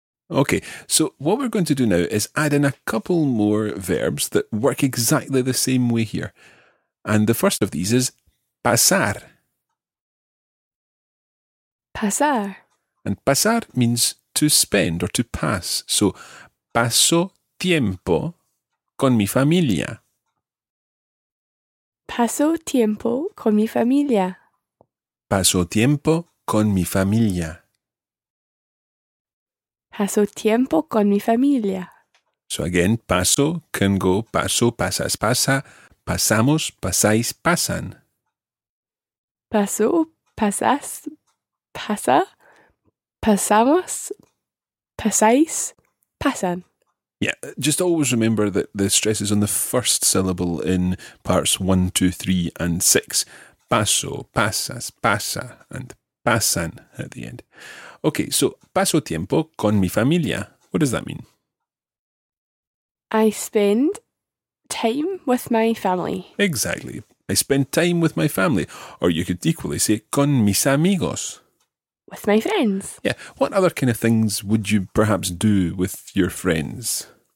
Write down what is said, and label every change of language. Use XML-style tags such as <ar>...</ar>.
<en>Okay, so what we're going to do now is add in a couple more verbs that work exactly the same way here. And the first of these is pasar.</en> <es>Pasar.</es> <en>And pasar means to spend or to pass.</en> <es>So, paso tiempo con mi familia. Paso tiempo con mi familia. Paso tiempo con mi familia. Paso tiempo con mi familia.</es> <en>So again, paso, can go, paso, pasas, pasa, pasamos, pasáis, pasan.</en> <es>Paso, pasas, pasa, pasamos, pasáis, pasan.</es> <en>Yeah, just always remember that the stress is on the first syllable in parts 1, 2, 3 and 6. Paso, pasas, pasa, and pasan at the end. Okay, so</en> <es>paso tiempo con mi familia.</es> <en>What does that mean? I spend time with my family. Exactly. I spend time with my family. Or you could equally say</en> <es>con mis amigos.</es> <en>With my friends. Yeah. What other kind of things would you perhaps do with your friends?</en>